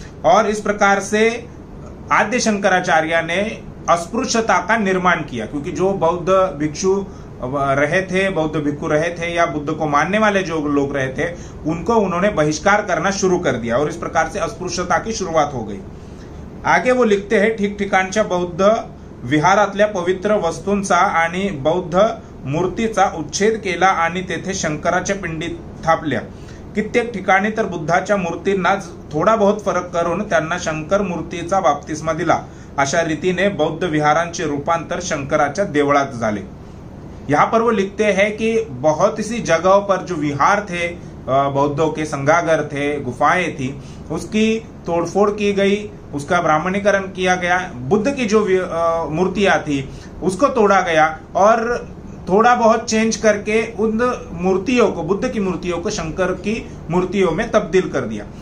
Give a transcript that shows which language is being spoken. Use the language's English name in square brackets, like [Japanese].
[Hindi] और इस प्रकार से आद्य शंकराचार्य ने अस्पृश्यता का निर्माण किया, क्योंकि जो बौद्ध भिक्षु रहे थे, बौद्ध भिक्षु रहे थे या बुद्ध को मानने वाले जो लोग रहे थे उनको उन्होंने बहिष्कार करना शुरू कर दिया और इस प्रकार से अस्पृश्यता की शुरुआत हो गई। आगे वो लिखते हैं, [Marathi] ठिकठिकाणच्या बौद्ध विहारातल्या पवित्र वस्तूंचा आणि बौद्ध मूर्तीचा उच्छेद केला आणि तेथे शंकराच्या पिंडीत थापल्या। कित्येक ठिकाणी तर बुद्धाच्या मूर्तींना थोडा बहुत फरक करून त्यांना शंकर मूर्तीचा बाप्तिस्मा दिला। अशा रीतीने बौद्ध विहारांचे रूपांतर शंकराच्या देवळात झाले। [Hindi] यहां पर वो लिखते हैं कि बहुत सी जगहों पर जो विहार थे, बौद्धों के संगागर थे, गुफाएं थी, उसकी तोड़फोड़ की गई, उसका ब्राह्मणीकरण किया गया, बुद्ध की जो मूर्तियां थी उसको तोड़ा गया और थोड़ा बहुत चेंज करके उन मूर्तियों को, बुद्ध की मूर्तियों को शंकर की मूर्तियों में तब्दील कर दिया।